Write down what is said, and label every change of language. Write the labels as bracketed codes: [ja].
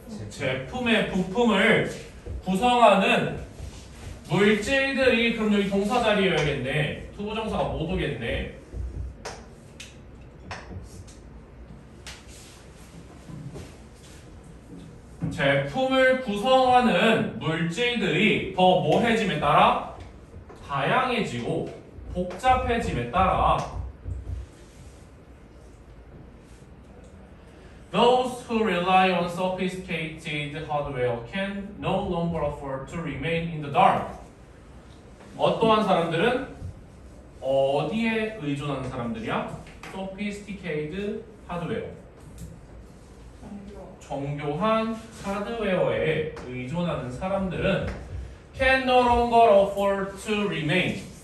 [ko] 제품의 부품을 구성하는 물질들이, 그럼 여기 동사 자리여야겠네. 투부정사가 못 오겠네. 제품을 구성하는 물질들이 더 뭐해짐에 따라? 다양해지고 복잡해짐에 따라 [en] Those who rely on sophisticated hardware can no longer afford to remain in the dark. [ko] 어떠한 사람들은? 어디에 의존하는 사람들이야? [en] Sophisticated hardware. [ko] 정교한 하드웨어에 의존하는 사람들은 [en] can no longer afford to remain.